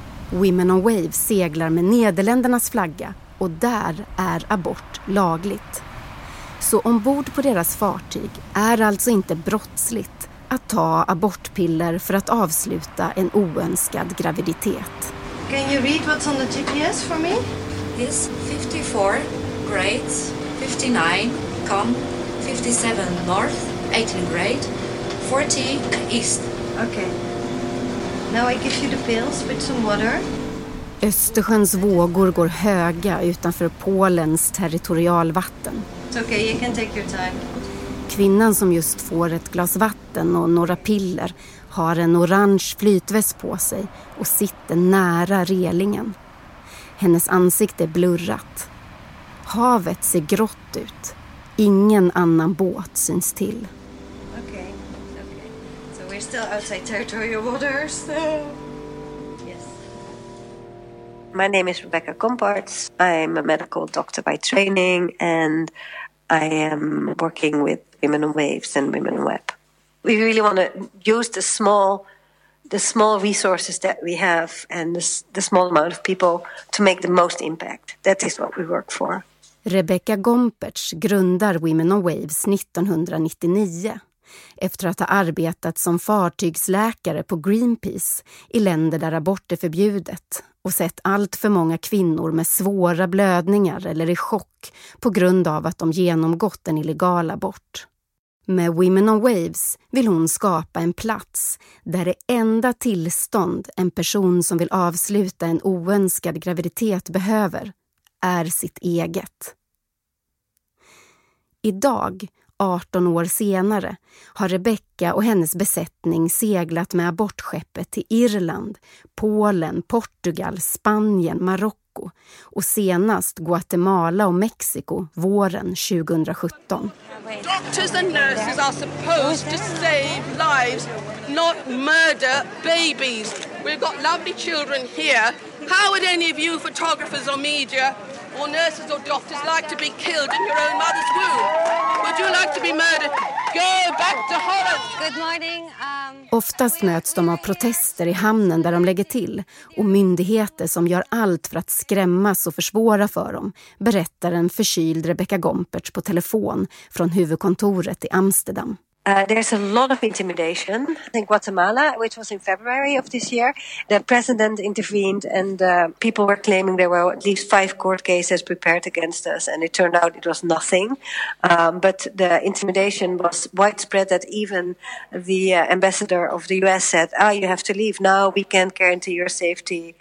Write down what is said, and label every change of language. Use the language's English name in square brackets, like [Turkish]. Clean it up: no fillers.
[Swedish] Women on Waves seglar med Nederländernas flagga och där är abort lagligt. Så ombord på deras fartyg är alltså inte brottsligt att ta abortpiller för att avsluta en oönskad graviditet. [English] Can you read what's on the GPS for me? This 54, grade 59, come 57 north, 18 grade, 40 east. Okay. Now I give you the pills with some water. [Swedish] Östersjöns vågor går höga utanför Polens territorialvatten. [English] It's okay, you can take your time. [Swedish] Kvinnan som just får ett glas vatten och några piller har en orange flytväst på sig och sitter nära relingen. Hennes ansikte är blurrat. Havet ser grått ut. Ingen annan båt syns till. [English] Okay. Okay. So we're still outside territorial waters. Yes. My name is Rebecca Kompartz. I'm a medical doctor by training and I am working with Women on Waves and Women on Web. We really want to use the small resources that we have and the small amount of people to make the most impact. That is what we work for. [Swedish] Rebecca Gompertz grundar Women on Waves 1999 efter att ha arbetat som fartygsläkare på Greenpeace i länder där abort är förbjudet och sett allt för många kvinnor med svåra blödningar eller i chock på grund av att de genomgått en illegal abort. Med Women on Waves vill hon skapa en plats där det enda tillstånd en person som vill avsluta en oönskad graviditet behöver är sitt eget. Idag, 18 år senare, har Rebecca och hennes besättning seglat med abortskeppet till Irland, Polen, Portugal, Spanien, Marocko och senast Guatemala och Mexiko våren 2017. [English] Doctors and nurses are supposed to save lives, not murder babies. We've got lovely children here. How would any of you photographers or media or nurses or doctors like to be killed in your own mother's womb? Would you like to be murdered? Go back to Holland. Good morning. [Swedish] Oftast möts de av protester i hamnen där de lägger till och myndigheter som gör allt för att skrämmas och försvåra för dem, berättar en förkyld Rebecca Gompertz på telefon från huvudkontoret i Amsterdam. [English] There's a lot of intimidation in Guatemala, which was in February of this year. The president intervened and people were claiming there were at least 5 court cases prepared against us and it turned out it was nothing. But the intimidation was widespread that even the ambassador of the US said, you have to leave now, we can't guarantee your safety.